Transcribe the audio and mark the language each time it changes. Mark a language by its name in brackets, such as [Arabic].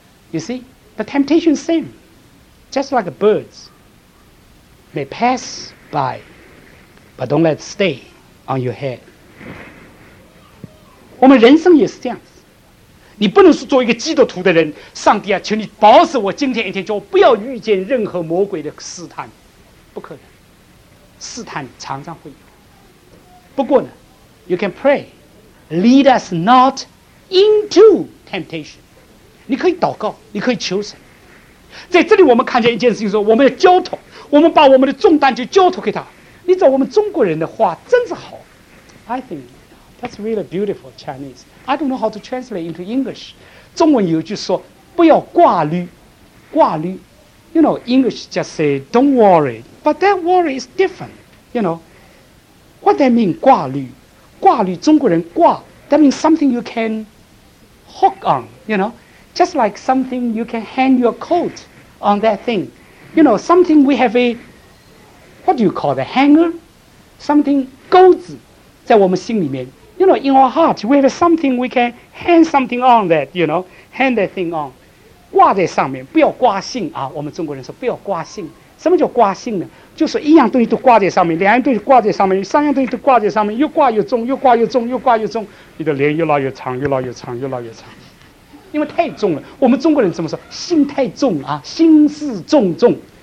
[English] You see, the temptation is same, just like birds may pass by but don't let stay on your head。 [Chinese] 我们人生也是这样子，你不能是做一个基督徒的人，上帝啊，求你保守我今天一天，叫我不要遇见任何魔鬼的试探，不可能，试探常常会有。不过呢 ， [English] You can pray, lead us not into temptation。 [Chinese] 你可以祷告，你可以求神。在这里，我们看见一件事情，说我们要交托，我们把我们的重担就交托给他。你知道我们中国人的话真是好 ， [English] I think。That's really beautiful Chinese. I don't know how to translate into English. [Chinese] 中文有句说不要挂虑，挂虑。 [English] You know, English just say don't worry. But that worry is different. You know, what that mean 挂虑？ [Chinese] 挂虑，中国人挂 [English] that means something you can hook on. You know, just like something you can hang your coat on that thing. You know, something we have a, what do you call the hanger? Something [Chinese] 钩子在我们心里面。 [English] You know, in our heart, we have something we can hang something on that, you know, hang that thing on. [Chinese] 挂在上面，不要挂性啊！我们中国人说不要挂性。什么叫挂性呢？就是一样东西都挂在上面，两样东西挂在上面，三样东西都挂在上面，又挂又重，又挂又重，又挂又重，你的脸越拉越长，越拉越长，越拉越长。因为太重了，我们中国人怎么说？心太重啊，心事重重。